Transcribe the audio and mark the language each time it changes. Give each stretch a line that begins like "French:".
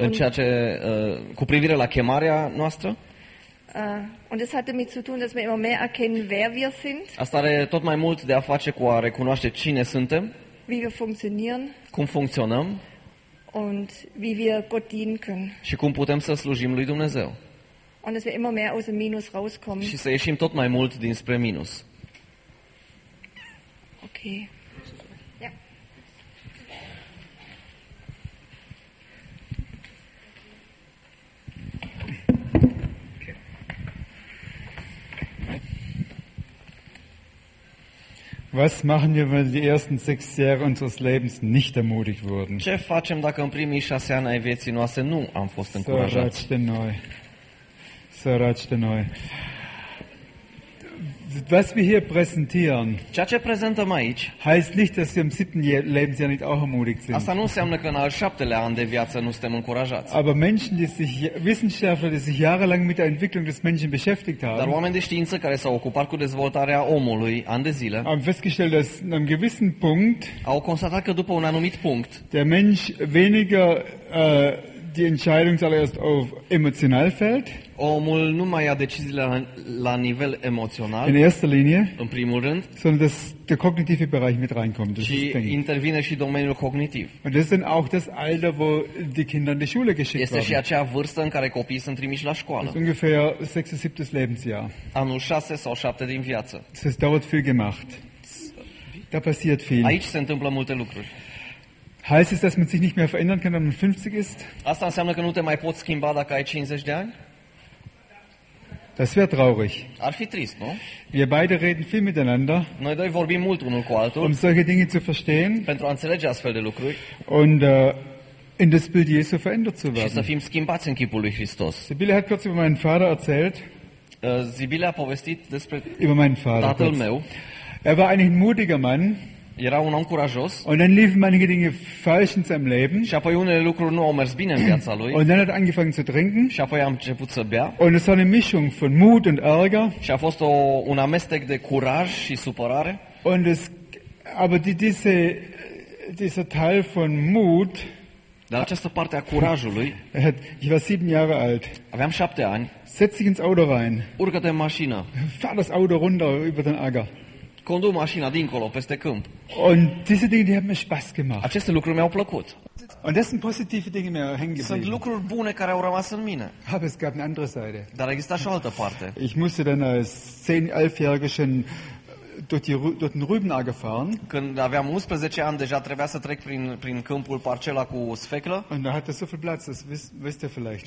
Romanian: în ceea ce cu privire la chemarea noastră.
German: Und es hat damit zu tun, dass wir immer mehr erkennen, wer wir sind.
Romanian: Asta are tot mai mult de a face cu a recunoaște cine suntem.
German: Wie wir funktionieren.
Romanian: Cum funcționăm.
German: Und wie wir Gott dienen können.
Romanian: Și cum putem să slujim lui Dumnezeu.
German: Und dass wir immer mehr aus dem Minus rauskommen.
Romanian: Și să ieșim tot mai mult dinspre minus.
German: Okay. Was machen wir, wenn die ersten 6 Jahre unseres Lebens nicht ermutigt wurden?
Romanian: Ce facem dacă în primii 6 ani ai vieții noastre nu am fost încurajați? Sărăcite noi.
German: Was wir hier präsentieren.
Romanian: Ceea ce prezentăm aici.
German: Heißt nicht, dass wir im 7. Lebensjahr nicht auch ermutigt sind.
Romanian: Asta nu înseamnă că în al 7-lea an de viață nu suntem încurajați.
German: Aber Menschen, die sich Wissenschaftler, die sich jahrelang mit der Entwicklung des Menschen beschäftigt haben.
Romanian: Dar oameni de știință care s-au ocupat cu dezvoltarea omului ani de zile.
German: Haben festgestellt, dass an einem gewissen Punkt.
Romanian: Au constatat că după un anumit punct.
German: Der Mensch weniger die Entscheidung zuerst auf emotional fällt.
Romanian: Omul nu mai ia deciziile la nivel emoțional.
German: In erster Linie.
Romanian: În primul rând.
German: Sondern dass der kognitive Bereich mit reinkommt.
Romanian: Și intervine și domeniul cognitiv.
German: Und das sind auch das Alter, wo die Kinder in die Schule geschickt werden.
Romanian: Este și acea vârstă în care copiii sunt trimiși la școală.
German: Ungefähr 6. 7. Lebensjahr.
Romanian: Anul 6 sau 7 din viață.
German: Es ist dort viel gemacht. Da passiert viel.
Romanian: Aici se întâmplă multe lucruri.
German: Heißt es, dass man sich nicht mehr verändern kann, wenn man 50 ist?
Romanian: Asta înseamnă că nu te mai poți schimba dacă ai 50 de ani?
German: Das wäre traurig.
Romanian: Ar fi trist, nu?
German: Wir beide reden viel miteinander.
Romanian: Noi doi vorbim mult unul cu altul.
German: Um solche Dinge zu verstehen.
Romanian: Pentru a înțelege astfel de lucruri.
German: Und in das Bild Jesu verändert zu werden.
Romanian: Și să fim schimbați în chipul lui Hristos.
German: Sibylle hat kurz über meinen Vater erzählt.
Romanian: Sibylle a povestit despre
German: über meinen Vater,
Romanian: tatăl meu.
German: Er war eigentlich ein mutiger Mann.
Romanian: Era un om curajos.
German: Und dann liefen einige Dinge falsch in seinem Leben.
Romanian: Și apoi unele lucruri nu au mers bine în viața lui.
German: Und dann hat er angefangen zu trinken.
Romanian: Și apoi a început să bea.
German: Und es war eine Mischung von Mut und Ärger.
Romanian: Și a fost un amestec de curaj și supărare.
German: Und es, aber dieser Teil von Mut.
Romanian: Dar această parte a curajului.
German: Ich war 7 Jahre alt.
Romanian: Aveam 7 ani.
German: Setz dich ins Auto rein.
Romanian: Urcă-te în mașină.
German: Fahr das Auto runter über den Acker.
Romanian: Condu mașina dincolo peste câmp.
German: Und diese Dinge, die haben mir Spaß gemacht.
Romanian: Aceste lucruri mi-au plăcut.
German: Und das sind positive Dinge, mi-au hängen geblieben.
Romanian: Sunt lucruri bune care au rămas în mine.
German: Aber es gab eine andere Seite.
Romanian: Dar există și o altă parte.
German: Ich musste dann als 10-11-jähriger schon durch den Rübenacker fahren.
Romanian: Când aveam 11 ani deja trebuia să trec prin câmpul parcela cu sfeclă.
German: Und da hatte so viel Platz, das wisst ihr vielleicht.